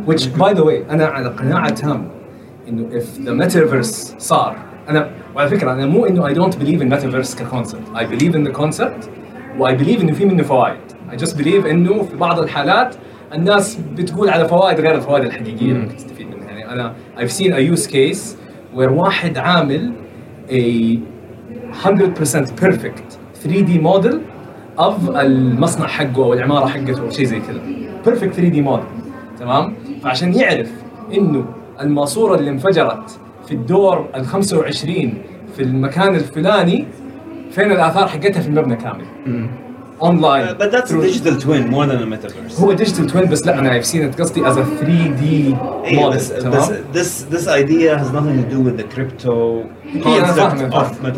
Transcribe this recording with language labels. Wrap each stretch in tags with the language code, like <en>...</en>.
<en>Which, by the way,</en> <ar>أنا على قناعة تام إنه</ar> <en>if the metaverse</en> <ar>صار أنا وعلى فكرة أنا مو إنه</ar> <en>I don't believe in metaverse</en> <ar>كconcept.</ar> <en>I believe in the concept, and I believe</en> <ar>إنه في منه فوائد.</ar> <en>I just believe</en> <ar>إنه في بعض الحالات الناس بتقول على فوائد غير الفوائد الحقيقية اللي ممكن تستفيد منها يعني أنا</ar> <en>I've seen a use case where</en> <ar>واحد عامل a</ar> <en>100% perfect 3D model of</en> <ar>المصنع حقه أو العمارة حقته أو شيء زي كذا perfect 3D model تمام فعشان يعرف إنه الماسورة اللي انفجرت في الدور 25 في المكان الفلاني فين الآثار حقتها في المبنى كامل Online.</ar> <en>But that's a digital twin more than a metaverse.</en> <ar>هو digital twin بس لا أنا</ar> <en>I've seen it</en> <ar>قصدي</ar> <en>as a 3D model. This idea has nothing to do with the crypto concept of metaverse.</en>